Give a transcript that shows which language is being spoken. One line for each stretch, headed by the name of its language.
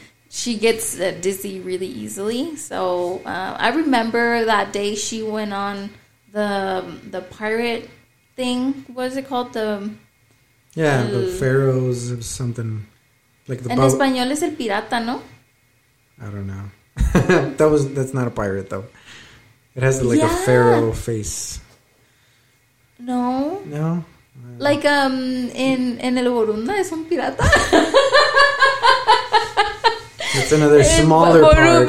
English: She gets dizzy really easily, so I remember that day she went on the pirate thing. What is it called? The pharaohs or something. Like the.
Spanish: En español es el pirata, no?
English: I don't know. That's not a pirate though. It has like a pharaoh face. No. No. Like in
Spanish: El Borunda es un pirata.
English: It's another smaller park.